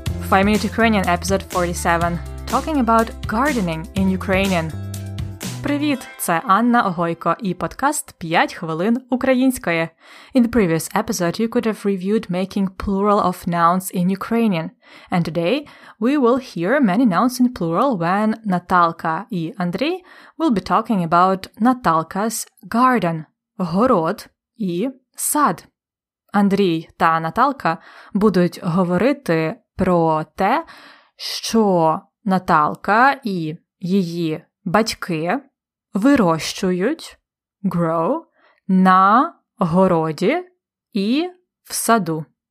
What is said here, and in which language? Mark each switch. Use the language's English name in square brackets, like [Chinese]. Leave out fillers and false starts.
[English] 5 Minute Ukrainian, episode 47, talking about gardening in Ukrainian. [Ukrainian] Привіт, це Анна Огойко і подкаст 5 хвилин української. [English] In the previous episode, you could have reviewed making plural of nouns in Ukrainian. And today, we will hear many nouns in plural when Наталка і Андрій will be talking about Наталка's garden, [Ukrainian] город і сад. Андрій та Наталка будуть говорити про те, що Наталка і її батьки вирощують, grow, на городі і в саду.